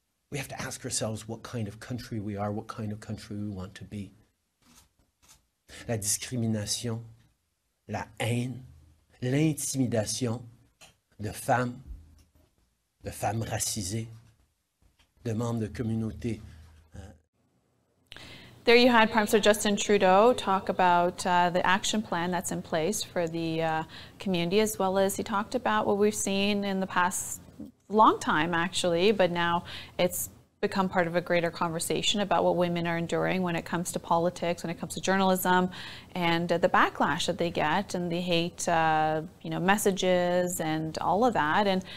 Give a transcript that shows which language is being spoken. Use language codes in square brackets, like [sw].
[en] We have to ask ourselves what kind of country we are, what kind of country we want to be. [fr] La discrimination, la haine, l'intimidation de femmes racisées, de membres de communauté. [en] There you had Prime Minister Justin Trudeau talk about the action plan that's in place for the community, as well as he talked about what we've seen in the past long time, actually, but now it's become part of a greater conversation about what women are enduring when it comes to politics, when it comes to journalism, and the backlash that they get and the hate messages and all of that.